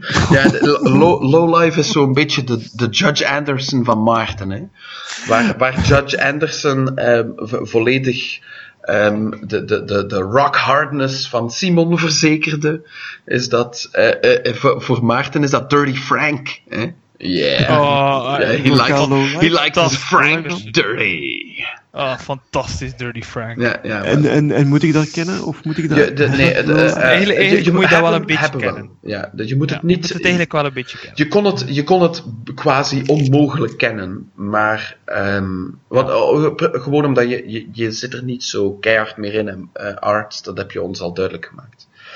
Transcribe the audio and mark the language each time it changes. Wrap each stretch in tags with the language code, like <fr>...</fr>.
<nl>Ja, Lowlife is zo'n beetje de Judge Anderson van Maarten, hè. Waar Judge Anderson volledig de</nl> <en>rock hardness</en> <nl>van Simon verzekerde, is dat voor Maarten is dat Dirty Frank, hè.</nl> <en>He likes his Frank dirty.</en> <nl>Oh, fantastisch, Dirty Frank. Ja, en moet ik dat kennen? Of moet ik dat... Eigenlijk moet je dat wel een beetje kennen. Ja, dus je moet het niet... Je moet het eigenlijk wel een beetje kennen. Je kon het quasi onmogelijk kennen, maar... gewoon omdat je zit er niet zo keihard meer in, Art, dat heb je ons al duidelijk gemaakt.</nl>